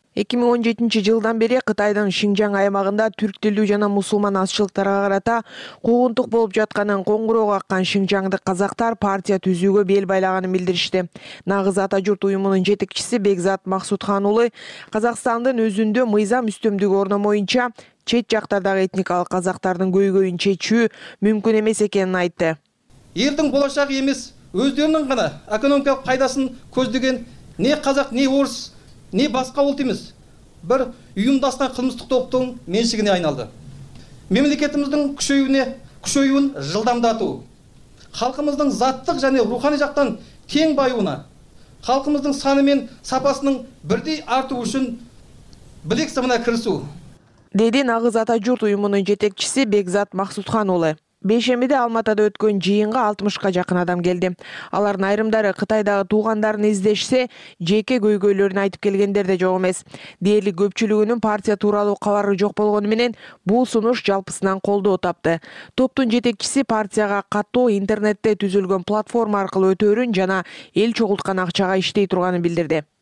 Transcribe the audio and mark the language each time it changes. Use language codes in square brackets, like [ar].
[ky] 2017 жылдан бери Кытайдын Шинжаң аймагында түрк тилдүү жана мусулман азчылыктарга карата куугунтук болуп жатканын коңгуроо каккан шинжаңдык казактар партия түзүүгө бел байлаганын билдиришти. Нагыз ата журт уюмунун жетекчиси Бекзат Максутхан уулу Казакстандын өзүндө мыйзам үстөмдүгү орно боюнча чет жактардагы этникалык казактардын көйгөйүн чечүү мүмкүн эмес экенин айтты. Элдин болочагы эмес, өздөрүнүн гана экономикалык пайдасын көздөгөн [kk] не казак, не орус, не басқа ұлт емес, бір ұйымдасқан қылмыстық топтың меншігіне айналды. Мемлекетіміздің күшеюін жылдамдату, халқымыздың заттық және рухани жақтан кең байуына, халқымыздың саны мен сапасының бірдей артуы үшін білек сымына кірісу. Деді нағыз ата журт ұйымының жетекшісі Бекзат Максутхан олы. [ky] Бейшембиде Алматыда өткөн жыйынга 60 жакын адам келди. Алардын айрымдары Кытайдагы туугандарын издешсе, жеке көйгөйлөрүн айтып келгендер да жок эмес. Дээрлик көпчүлүгүнүн партия тууралуу кабары жок болгону менен, бул сунуш жалпысынан колдоо тапты. Топтун жетекчиси партияга катуу интернетте түзүлгөн платформа аркылуу өтөрүн жана эл чогулткан акчага иштей турганын билдирди.